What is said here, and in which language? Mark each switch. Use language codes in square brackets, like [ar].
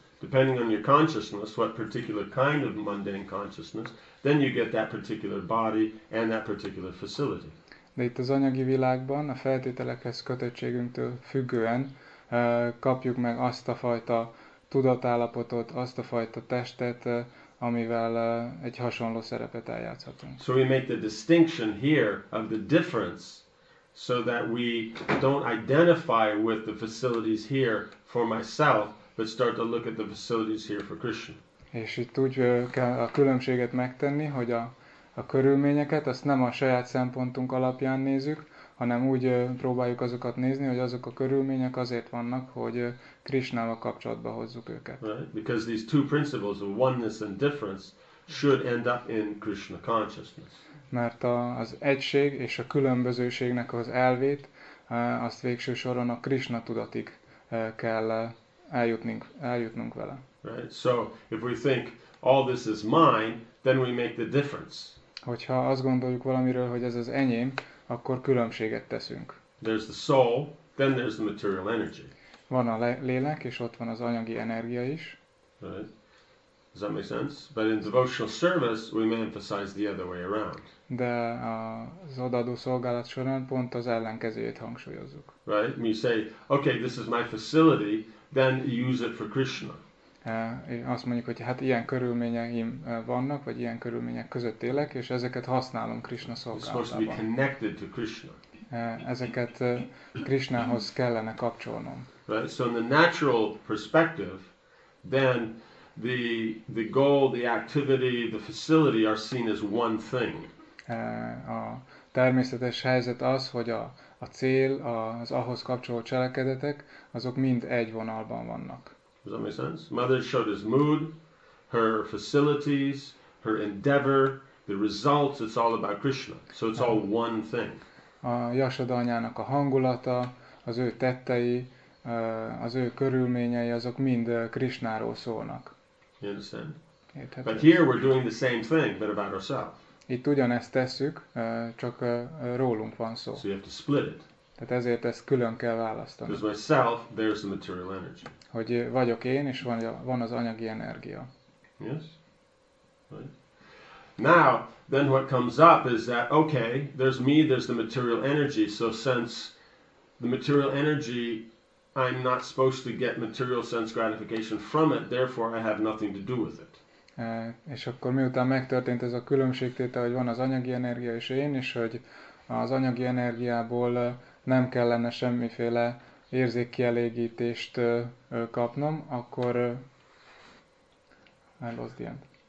[en] Depending on your consciousness, what particular kind of mundane consciousness, then you get that particular body and that particular facility. [hu] De itt az anyagi világban a feltételekhez kötöttségünktől függően kapjuk meg azt a fajta tudatállapotot, azt a fajta testet, amivel egy hasonló szerepet eljátszhatunk. [en] So we make the distinction here of the difference so that we don't identify with the facilities here for myself, but start to look at the facilities here for Krishna. [hu] És itt úgy kell a különbséget megtenni, hogy a körülményeket, azt nem a saját szempontunk alapján nézzük, hanem úgy próbáljuk azokat nézni, hogy azok a körülmények azért vannak, hogy Krishnával kapcsolatba hozzuk őket. [en] Right? Because these two principles of oneness and difference should end up in Krishna consciousness. [hu] Mert az egység és a különbözőségnek az elvét, azt végső soron a Krishna tudatig kell eljutnunk vele. [en] Right. So if we think all this is mine, then we make the difference. [hu] Hogyha azt gondoljuk valamiről, hogy ez az enyém, akkor különbséget teszünk. [en] There's the soul, then there's the material energy. [hu] Van a lélek, és ott van az anyagi energia is. [en] Right. Does that make sense? But in devotional service, we may emphasize the other way around. [hu] De az odaadó szolgálat során pont az ellenkezőjét hangsúlyozzuk. [en] Right. We say, okay, this is my facility, then use it for Krishna. [hu] Azt mondjuk, hogy hát ilyen körülményeim vannak, vagy ilyen körülmények között élek, és ezeket használom Krishna szolgálatában. [en] It's supposed to be connected to Krishna. [hu] ezeket Krishnához kellene kapcsolnom. [en] Right? So in the natural perspective, then the goal, the activity, the facility are seen as one thing. [hu] A természetes helyzet az, hogy a cél, az ahhoz kapcsolódó cselekedetek, azok mind egy vonalban vannak. [en] Does that make sense? Mother Yashoda's mood, her facilities, her endeavor, the results, it's all about Krishna. So it's all one thing. [hu] A Yashoda anyának a hangulata, az ő tettei, az ő körülményei, azok mind Krishnáról szólnak. [en] You understand? But here we're doing the same thing, but about ourselves. [hu] Itt ugyanezt tesszük, csak rólunk van szó. [en] So you have to split it. [hu] Tehát ezért ezt külön kell választani. [en] Because myself, there's the material energy. [hu] Hogy vagyok én, és van az anyagi energia. [en] Yes. Right. Now, then what comes up is that, okay, there's me, there's the material energy, so since the material energy, I'm not supposed to get material sense gratification from it, therefore I have nothing to do with it. [hu] És akkor miután megtörtént ez a különbségtétel, hogy van az anyagi energia és én, és hogy az anyagi energiából nem kellene semmiféle érzékkielégítést kapnom, akkor [en] I lost the end.